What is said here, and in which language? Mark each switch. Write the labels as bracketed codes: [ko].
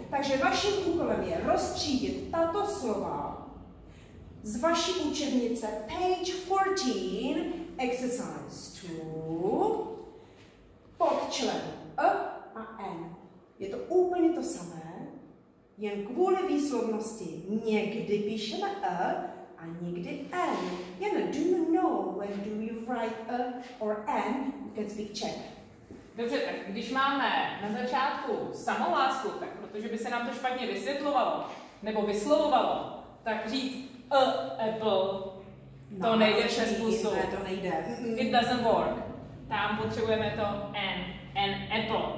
[cs] Takže vaším úkolem je rozstřídit tato slova z vaší učebnice [en] page 14, exercise 2, [cs] pod člen E a N. Je to úplně to samé, jen kvůli výslovnosti někdy píšeme E a někdy N. [en] Jana, do you know when do you write E or N? You can speak Czech. [cs] Dobře, tak když máme na začátku samolásku, tak protože by se nám to špatně vysvětlovalo, nebo vyslovovalo, tak říct E, apple, to no, nejde přes pusu. Ne, to nejde. [en] It doesn't work. [cs] Tam potřebujeme to N, N, apple.